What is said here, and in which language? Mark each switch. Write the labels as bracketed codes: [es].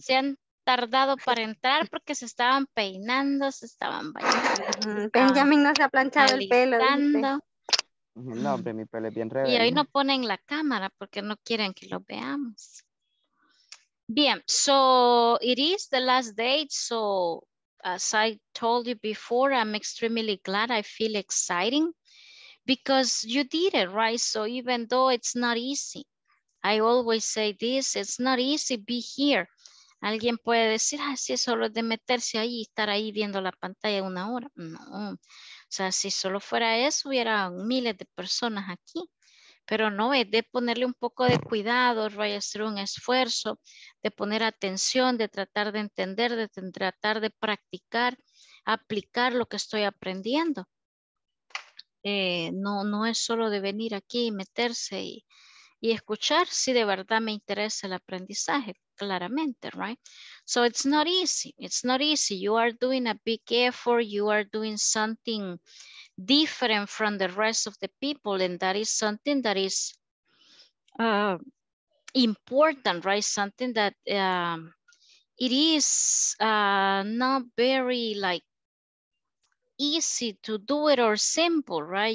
[es] Se han tardado para entrar porque se estaban peinando, se estaban bañando, se estaban Benjamin no se ha planchado el pelo, dice. alistando. No, hombre, mi pelo es bien Y hoy no rebelín. ponen la cámara porque no quieren que lo veamos. Bien, [en] so it is the last day, so. As I told you before, I'm extremely glad. I feel exciting because you did it, right? So even though it's not easy, I always say this, it's not easy to be here. [es] Alguien puede decir, ah, sí, solo de meterse ahí y estar ahí viendo la pantalla una hora. No, o sea, si solo fuera eso, hubiera miles de personas aquí. Pero no, es de ponerle un poco de cuidado, voy a hacer un esfuerzo, de poner atención, de tratar de entender, de tratar de practicar, aplicar lo que estoy aprendiendo. No es solo de venir aquí y meterse y escuchar si de verdad me interesa el aprendizaje, claramente, right? [en] So it's not easy, it's not easy. You are doing a big effort, you are doing something different from the rest of the people, and that is something that is important, right? Something that it is not very like easy to do it or simple, right?